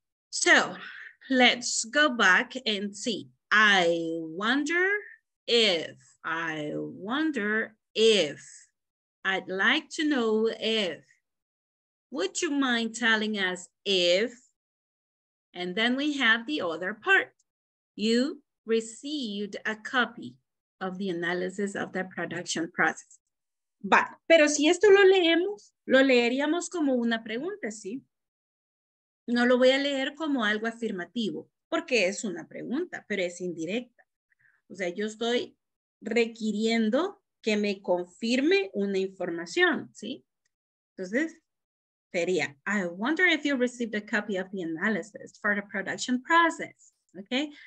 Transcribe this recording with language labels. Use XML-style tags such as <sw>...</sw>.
<en>So let's go back and see. I wonder if, I'd like to know if, would you mind telling us if, and then we have the other part. You received a copy of the analysis of the production process.</en> <es>Vale, pero si esto lo leemos, lo leeríamos como una pregunta, ¿sí? No lo voy a leer como algo afirmativo, porque es una pregunta, pero es indirecta. O sea, yo estoy requiriendo que me confirme una información, ¿sí? Entonces, sería,</es> <en>I wonder if you received a copy of the analysis for the production process, okay?</en>